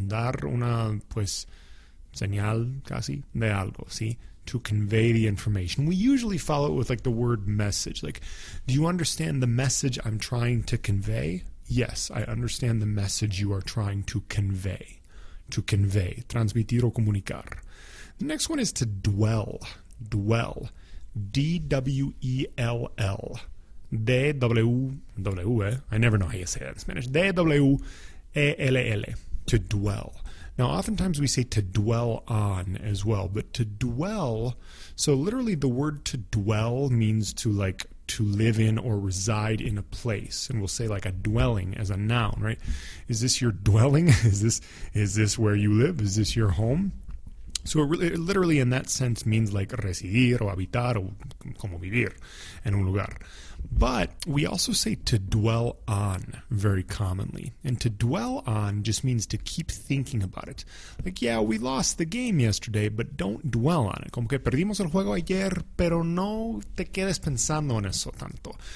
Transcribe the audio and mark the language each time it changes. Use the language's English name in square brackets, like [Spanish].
[Spanish] Dar una, pues, señal, casi, de algo, see? [English] To convey the information. We usually follow it with, like, the word message. Like, do you understand the message I'm trying to convey? Yes, I understand the message you are trying to convey. To convey. [Spanish] Transmitir o comunicar. [English] The next one is to dwell. Dwell. D-W-E-L-L. D-W-E-L-L. I never know how you say that in Spanish. D-W-E-L-L. To dwell. Now, oftentimes we say to dwell on as well, but to dwell, so literally the word to dwell means to, like, to live in or reside in a place. And we'll say, like, a dwelling as a noun, right? Is this your dwelling? Is this where you live? Is this your home? So it really, literally in that sense means like [Spanish] residir o habitar o como vivir en un lugar. [English] But we also say to dwell on very commonly. And to dwell on just means to keep thinking about it. Like, yeah, we lost the game yesterday, but don't dwell on it. [Spanish] Como que perdimos el juego ayer, pero no te quedes pensando en eso tanto.